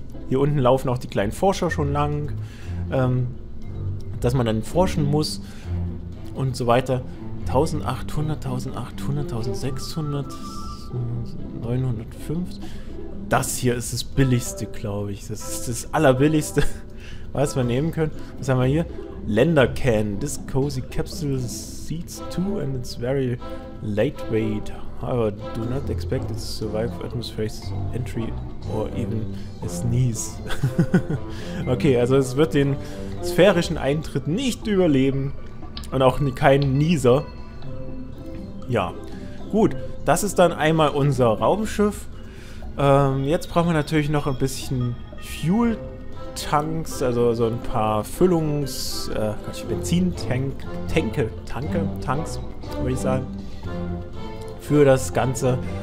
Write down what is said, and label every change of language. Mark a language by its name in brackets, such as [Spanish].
[German] Hier unten laufen auch die kleinen Forscher schon lang. Dass man dann forschen muss und so weiter. 1800, 1800, 1600, 905. Das hier ist das Billigste, glaube ich. Das ist das Allerbilligste, was wir nehmen können. Was haben wir hier? Lander Can. [English] This cozy capsule seats too and it's very lightweight. However, do not expect it to survive atmospheric entry or even a sneeze. [German] Okay, also es wird den sphärischen Eintritt nicht überleben und auch keinen Nieser. Ja, gut. Das ist dann einmal unser Raumschiff. Jetzt brauchen wir natürlich noch ein bisschen Fuel. Tanks, also so ein paar Füllungs, Tanks, würde ich sagen, für das Ganze.